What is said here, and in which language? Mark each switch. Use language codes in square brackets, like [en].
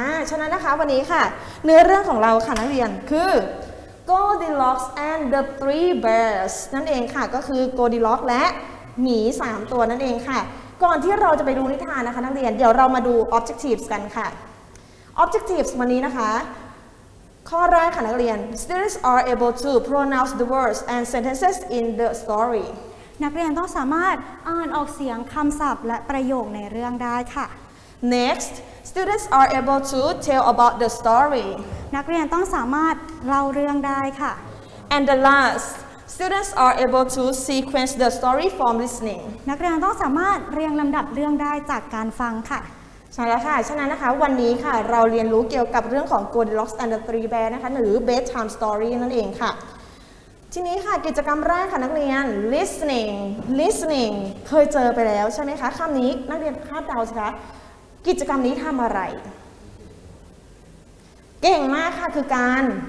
[th] ฉะนั้นนะคะวันนี้ค่ะเนื้อเรื่องของเราค่ะนักเรียนคือGoldilocks and the three bears นั่นเองค่ะก็คือ Goldilocks และหมี3ตัวนั่นเองค่ะก่อนที่เราจะไปดูนิทานนะคะนักเรียนเดี๋ยวเรามาดู objectives กันค่ะ objectives วันนี้นะคะข้อแรกค่ะนักเรียน [en] students are able to pronounce the words and sentences in the story [th] นักเรียนต้องสามารถอ่านออกเสียงคำศัพท์และประโยคในเรื่องได้ค่ะ [en] nextStudents are able to tell about the story. [th] นักเรียนต้องสามารถเล่าเรื่องได้ค่ะ [en] And the last, students are able to sequence the story from listening. [th] นักเรียนต้องสามารถเรียงลำดับเรื่องได้จากการฟังค่ะ ใช่แล้วค่ะฉะนั้นนะคะวันนี้ค่ะเราเรียนรู้เกี่ยวกับเรื่องของ Goldilocks and the Three Bears นะคะหรือ bedtime story นั่นเองค่ะทีนี้ค่ะกิจกรรมแรกค่ะนักเรียน listening เคยเจอไปแล้วใช่ไหมคะคำนี้นักเรียนคาดเดาสิคะกิจกรรมนี้ทำอะไรเก่งมากค่ะคือการ